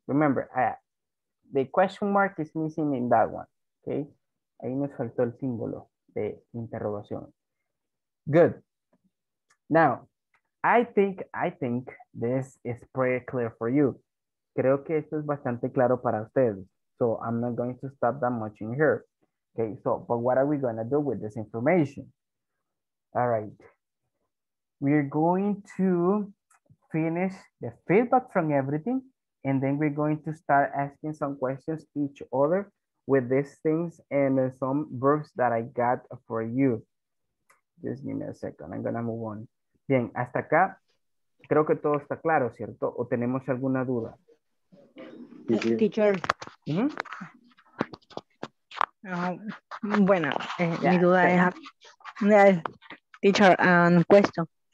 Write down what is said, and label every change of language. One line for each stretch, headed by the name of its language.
English: Remember, the question mark is missing in that one.
Spanish: Okay, ahí nos faltó el símbolo de interrogación.
English: Good. Now, I think this is pretty clear for you.
Spanish: Creo que esto es bastante claro para ustedes.
English: So I'm not going to stop that much in here. Okay, so, but what are we going to do with this information? All right. We're going to finish the feedback from everything. And then we're going to start asking some questions each other with these things and some verbs that I got for you. Just give me a second. I'm going to move on.
Spanish: Bien, hasta acá creo que todo está claro, ¿cierto? ¿O tenemos alguna duda?
English: Teacher.
Spanish: Mi duda es, teacher, question.